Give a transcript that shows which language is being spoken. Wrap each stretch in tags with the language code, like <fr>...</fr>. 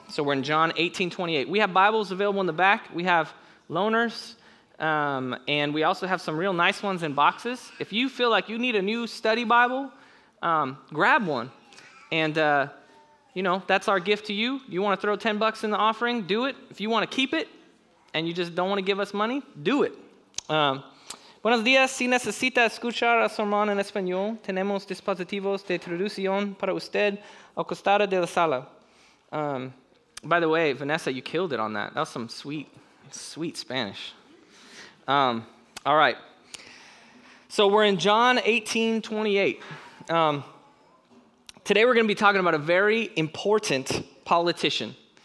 <en>So we're in John 18:28. We have Bibles available in the back. We have loaners, and we also have some real nice ones in boxes. If you feel like you need a new study Bible, grab one. And, you know, that's our gift to you. You want to throw 10 bucks in the offering, do it. If you want to keep it, and you just don't want to give us money, do it.</en> <es>Buenos días. Si necesita escuchar a su hermano en español, tenemos dispositivos de traducción para usted al costado de la sala.</es> <en>By the way, Vanessa, you killed it on that. That was some sweet, sweet Spanish. All right. So we're in John 18:28. Today we're going to be talking about a very important politician.</en>